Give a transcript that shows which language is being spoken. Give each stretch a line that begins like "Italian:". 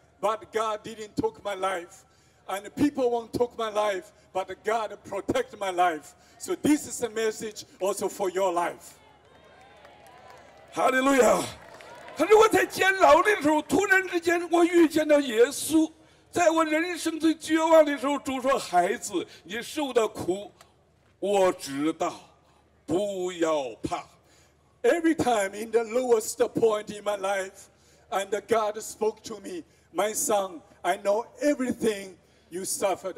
English: But God didn't take my life, and people won't take my life, but God protect my life. So this is a message also for your life. Hallelujah.
Chinese: 可是我在监牢的时候，突然之间我遇见到耶稣，在我人生最绝望的时候，主说：“孩子，你受的苦，我知道，不要怕。”
English: Every time in the lowest point in my life, and God spoke to me, My son, I know everything you suffered.